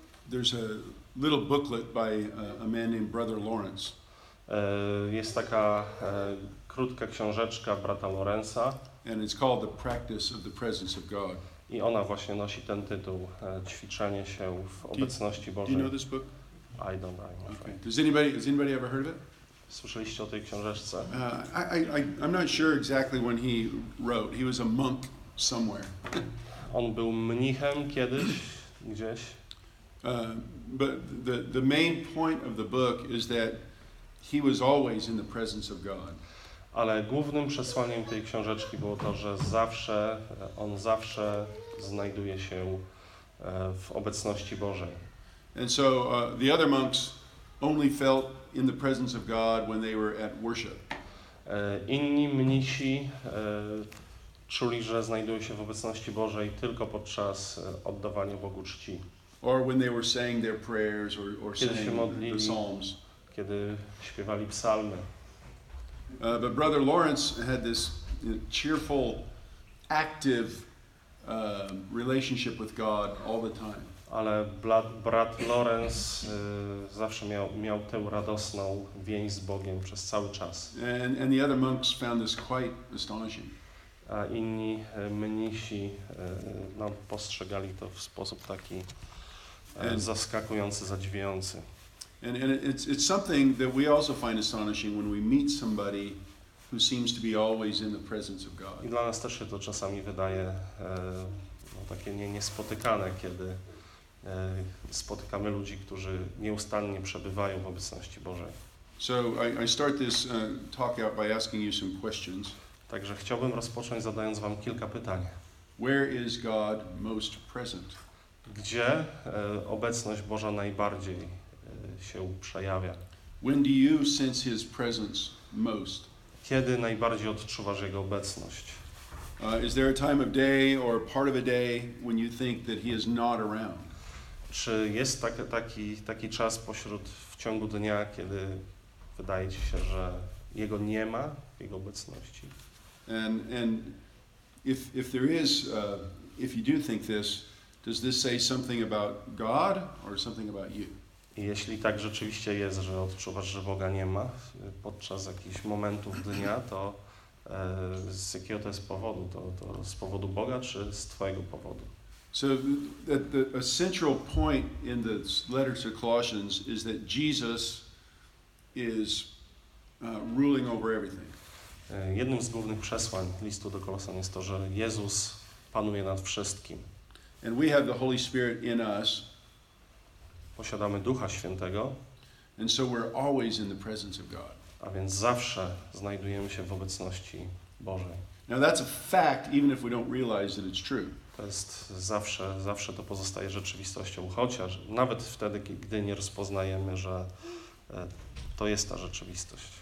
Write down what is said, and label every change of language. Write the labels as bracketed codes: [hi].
[en] There's a little booklet by a man named Brother Lawrence. [pl] Jest taka krótka książeczka brata Lorenza. [en] And it's called The Practice of the Presence of God. [pl] I ona właśnie nosi ten tytuł, ćwiczenie się w obecności Bożej. [en] Do you know this book? I don't know. Okay. Has anybody ever heard of it? [pl] Słyszeliście o tej książeczce? [en] I'm not sure exactly when he wrote. He was a monk somewhere. [pl] On był mnichem kiedyś, gdzieś. [en] But the main point of the book is that he was always in the presence of God. [pl] Ale głównym przesłaniem tej książeczki było to, że zawsze, on zawsze znajduje się w obecności Bożej. [en] And so the other monks only felt in the presence of God when they were at worship. [pl] Inni mnisi czuli, że znajdują się w obecności Bożej tylko podczas oddawania Bogu czci. [en] Or when they were saying their prayers or saying the psalms. [pl] Kiedy śpiewali psalmy. [en] But Brother Lawrence had this cheerful, active relationship with God all the time. [pl] Ale brat Lawrence zawsze miał tę radosną więź z Bogiem przez cały czas. [en] And the other monks found this quite astonishing. [pl] A inni mnisi postrzegali to w sposób taki zaskakujący, zadziwiający. [en] And it's something that we also find astonishing when we meet somebody who seems to be always in the presence of God. [pl] I dla nas też się to czasami wydaje takie niespotykane, kiedy spotykamy ludzi, którzy nieustannie przebywają w obecności Bożej. [en] So I start this talk out by asking you some questions. [pl] Także chciałbym rozpocząć zadając wam kilka pytań. [en] Where is God most present? [pl] Gdzie obecność Boża najbardziej się przejawia? [en] When do you sense his presence most? [pl] Kiedy najbardziej odczuwasz jego obecność? [en] Is there a time of day or part of a day when you think that he is not around? [pl] Czy jest taki czas w ciągu dnia, kiedy wydaje ci się, że jego nie ma, jego obecności? [en] And if there is, if you do think this, does this say something about God or something about you? [pl] Jeśli tak rzeczywiście jest, że odczuwasz, że Boga nie ma podczas jakichś momentów dnia, to z jakiego to jest powodu? To z powodu Boga czy z twojego powodu? [en] So a central point in the letter to Colossians is that Jesus is ruling over everything. [pl] Jednym z głównych przesłań listu do Kolosan jest to, że Jezus panuje nad wszystkim. [en] And we have the Holy Spirit in us. [pl] Posiadamy Ducha Świętego. [en] And so we're always in the presence of God. [pl] A więc zawsze znajdujemy się w obecności Bożej. [en] Now that's a fact, even if we don't realize that it's true. [pl] To jest zawsze to pozostaje rzeczywistością, chociaż nawet wtedy, gdy nie rozpoznajemy, że to jest ta rzeczywistość.